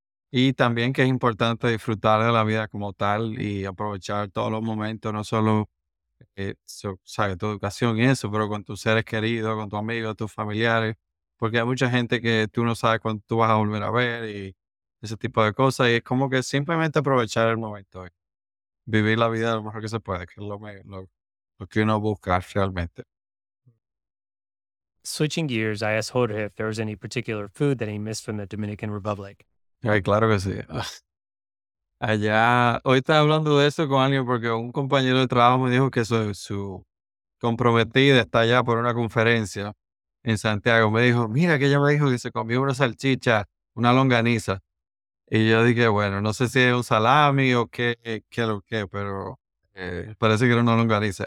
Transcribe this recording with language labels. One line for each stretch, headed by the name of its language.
Spanish: Y también que es importante disfrutar de la vida como tal y aprovechar todos los momentos, no solo sabe, tu educación y eso, pero con tus seres queridos, con tus amigos, tus familiares, porque hay mucha gente que tú no sabes cuándo tú vas a volver a ver y ese tipo de cosas. Y es como que simplemente aprovechar el momento, vivir la vida lo mejor que se puede, que es lo que uno busca realmente.
English: Switching gears, I asked Jorge if there was any particular food that he missed from the Dominican Republic.
Spanish: Ay, claro que sí. Allá, hoy estaba hablando de eso con alguien porque un compañero de trabajo me dijo que su comprometida está allá por una conferencia en Santiago. Me dijo, mira que ella me dijo que se comió una salchicha, una longaniza. Y yo dije, bueno, no sé si es un salami o qué lo que, pero parece que era una longaniza.